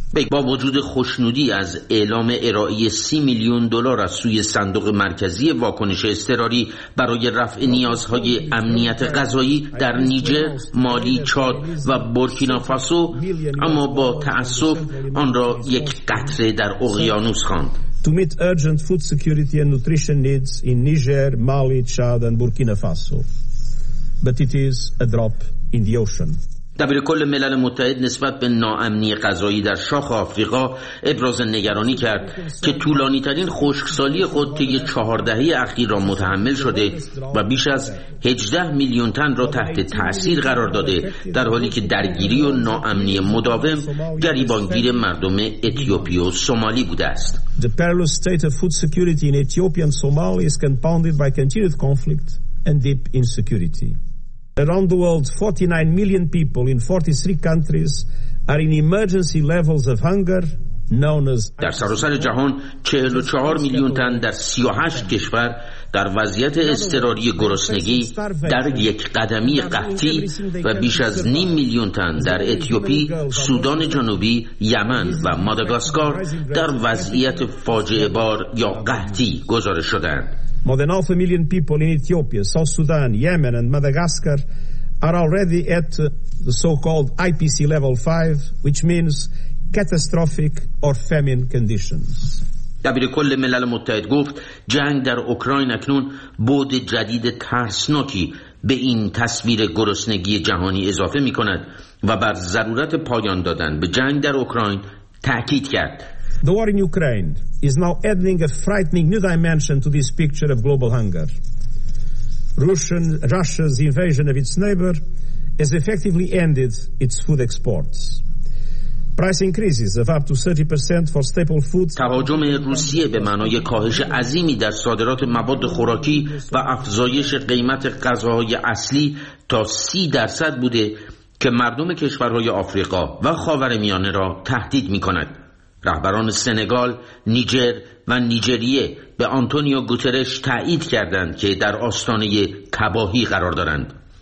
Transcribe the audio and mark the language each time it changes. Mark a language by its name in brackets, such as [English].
[Persian] با وجود خوشنودی از اعلام ارائه 30 میلیون دلار از سوی صندوق مرکزی واکنش اضطراری برای رفع نیازهای امنیت غذایی در نیجر، مالی، چاد و بورکینافاسو، اما با تأسف آن را یک قطره در اقیانوس خواند. [English] To meet urgent food security and nutrition needs in Niger, Mali, Chad and Burkina Faso. But it is a drop in the ocean. [Persian] دبیر کل ملل متحد نسبت به ناامنی غذایی در شاخ آفریقا ابراز نگرانی کرد که طولانی ترین خشکسالی خود طی 4 دهه اخیر را متحمل شده و بیش از 18 میلیون تن را تحت تأثیر قرار داده، در حالی که درگیری و ناامنی مداوم گریبانگیر مردم اتیوپی و سومالی بوده است. [English] The perilous state of food security in Ethiopia and Somalia is compounded by continued conflict and deep insecurity. Around the world, 49 million people in 43 countries are in emergency levels of hunger. [Persian] در سراسر جهان 44 میلیون تن در 38 کشور در وضعیت اضطراری گرسنگی در یک قدمی قحطی و بیش از 500,000 تن در اتیوپی، سودان جنوبی، یمن و ماداگاسکار در وضعیت فاجعه بار یا قحطی گزارش شدند. [English] More than 500,000 people in Ethiopia, South Sudan, Yemen and Madagascar are already at the so-called IPC level 5, which means catastrophic or famine conditions. [Persian] دبیر کل ملل متحد گفت جنگ در اوکراین اکنون بُعد جدید ترسناکی به این تصویر گرسنگی جهانی اضافه می‌کند و بر ضرورت پایان دادن به جنگ در اوکراین تأکید کرد. [English] The war in Ukraine is now adding a frightening new dimension to this picture of global hunger. Russia's invasion of its neighbor has effectively ended its food exports. Price increases of up to 30% for staple foods. [Persian] تهاجم روسیه به معنای کاهش عظیمی در صادرات مواد خوراکی و افزایش قیمت غذاهای اصلی تا 30% بوده که مردم کشورهای آفریقا و خاورمیانه را تهدید می‌کند. رهبران سنگال، نیجر و نیجریه به آنتونیو گوترش تایید کردند که در آستانه تباهی قرار دارند.